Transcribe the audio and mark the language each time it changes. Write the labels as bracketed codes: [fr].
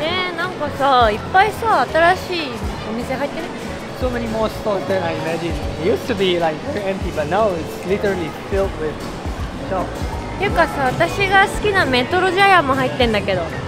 [ja] ね、なんかさ、いっぱいさ、新しいお店入ってる。 [en] So many more stores than I imagined. It used to be like very empty, but now it's literally filled with shops. [ja] ていうかさ、私が好きなメトロジャイアンも入ってんだけど。